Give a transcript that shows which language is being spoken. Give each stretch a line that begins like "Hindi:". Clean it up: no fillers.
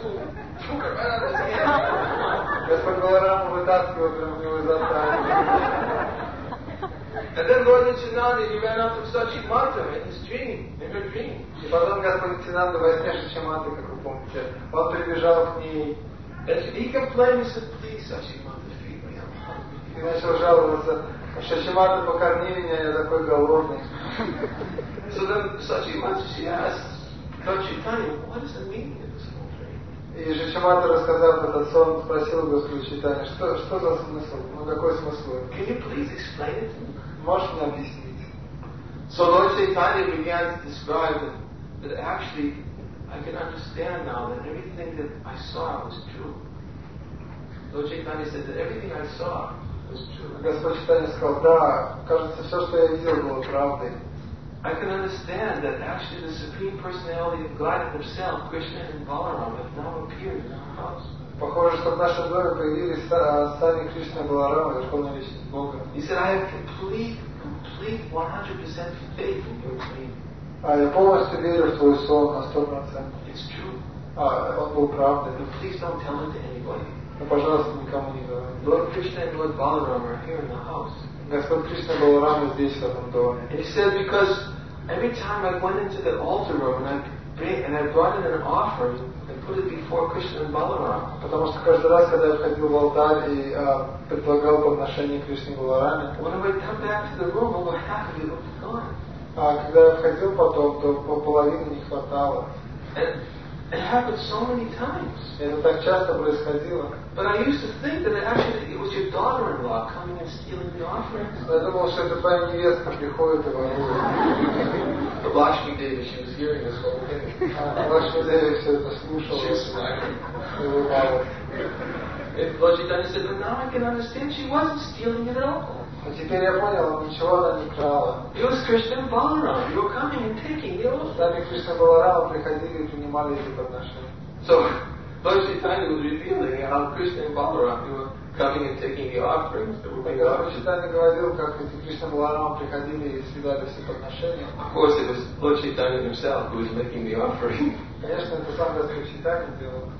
English: Lord Balaram went and grabbed the food, took it right out of his hand. And then Lord Nityananda, he ran up to Sachimata in his dream, in her dream.
Russian: И потом Господь Нитинанда во сне Сачиматы, как вы помните, он прибежал к ней.
English: And he complained, he said, "Please, Сачимата, feed me, I'm hungry."
Russian: И начал жаловаться, "Сачимата, покорми меня, я такой голодный."
English: So then Сачимата, she asked, "Lord Chaitanya, what is the meaning of this whole dream?"
Russian: И Шачимата рассказал этот сон, спросил Господа Чайтанья, что за смысл? Ну какой смысл?
English: Can you please explain it to me?
Russian: Можешь мне объяснить?
English: So Lord Chaitanya began to describe that actually I can understand now that everything that I saw was true. Lord Chaitanya said that everything I saw was true.
Russian: Господь Чайтанья сказал, да, кажется, все, что я видел, было правдой.
English: I can understand that actually the Supreme Personality of God Himself, Krishna and Balaram, have now appeared in our house.
Russian: Похоже, что в нашем доме появились сами Кришна и Баларама, Верховная Личность Бога.
English: He said, "I have complete 100% faith in your dream."
Russian: Я полностью верю в твой сон на 100%.
English: It's true.
Russian: Он был правдой.
English: But please don't tell it to anybody.
Russian: Но, пожалуйста, никому не говори.
English: Lord Krishna and Lord Balaram are here in the house.
Russian: Господь Кришна Баларама здесь, в этом доме.
English: And he said, "Because every time I went into the altar room and I brought in an offering, an put it before Krishna and Balaram.
Russian: Потому что каждый раз, когда я входил в алтарь и предлагал подношение Кришне Баларами,
English: when I would come back to the room, over half of it was gone.
Russian: А когда я входил потом, то половины не хватало.
English: It happened so many times.
Russian: Это так часто происходило.
English: But I used to think that actually it was your daughter-in-law coming and stealing the offerings.
Russian: Я думал, что это твоя невестка приходит и ворует.
English: Лакшми Деви, she was hearing this whole thing.
Russian: Лакшми Деви все это слушала.
English: She's smiling. And Lajitani said, but now I can understand she wasn't stealing it at all.
Russian: А теперь я понял, он ничего она не крала.
English: It was Krishna and Balaram. You were coming and taking the offerings.
Russian: Сами Кришна и Баларама приходили и принимали эти подношения.
English: So, Lord Chaitanya was revealing how Krishna and Balaram were coming and taking the offerings.
Russian: Lord Chaitanya говорил, как эти Кришна и Баларама приходили и съедали все подношения.
English: Of course, it was Lord Chaitanya himself who was making the offering.
Russian: Конечно, это сам Господь Чайтанья делал.